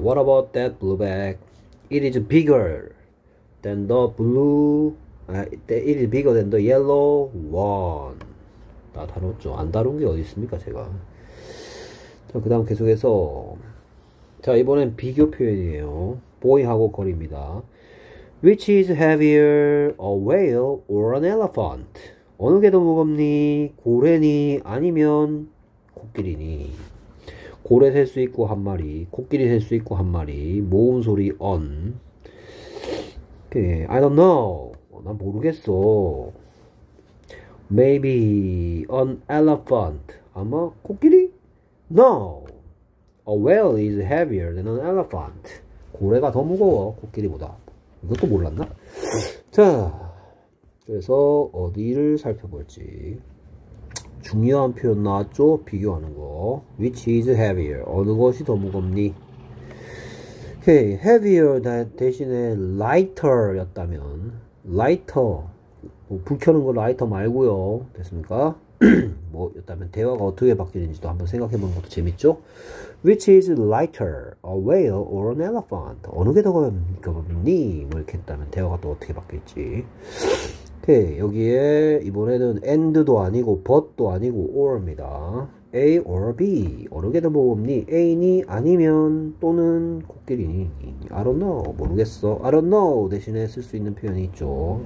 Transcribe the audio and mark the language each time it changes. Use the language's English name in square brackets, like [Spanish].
[English] What about that blue bag? It is bigger than the blue. It is bigger than the yellow one. [Korean] 다 다뤘죠. 안 다룬 게 어디 있습니까, 제가? 자, 그다음 계속해서. 자, 이번엔 비교 표현이에요. boy하고 거리입니다. [English] Which is heavier, a whale or an elephant? [Korean] 어느 게더 무겁니? 고래니? 아니면 코끼리니? 고래 셀수 있고 한 마리, 코끼리 셀수 있고 한 마리. 모음 소리 [English] on. Okay, I don't know. [Korean] 난 모르겠어. [English] Maybe an elephant. [Korean] 아마 코끼리? [English] No. A whale is heavier than an elephant. [Korean] 고래가 더 무거워, 코끼리보다. 이것도 몰랐나? 자, 그래서 어디를 살펴볼지. 중요한 표현 나왔죠? 비교하는 거. [English] Which is heavier? [Korean] 어느 것이 더 무겁니 오케이, heavier 대신에 lighter였다면 lighter 뭐불 켜는 거 라이터 말고요. 됐습니까? 뭐였다면 대화가 어떻게 바뀌는지도 한번 생각해 보는 것도 재밌죠? [English] Which is lighter, a whale or an elephant? [Korean] 어느 게더 가볍니? 뭐 이렇게 했다면 대화가 또 어떻게 바뀔지. 오케이, 여기에 이번에는 and도 아니고 but도 아니고 or입니다. A or B, 어느 게더 무겁니? A니 아니면 또는 코끼리니? [English] I don't know, [Korean] 모르겠어. I don't know 대신에 쓸수 있는 표현이 있죠.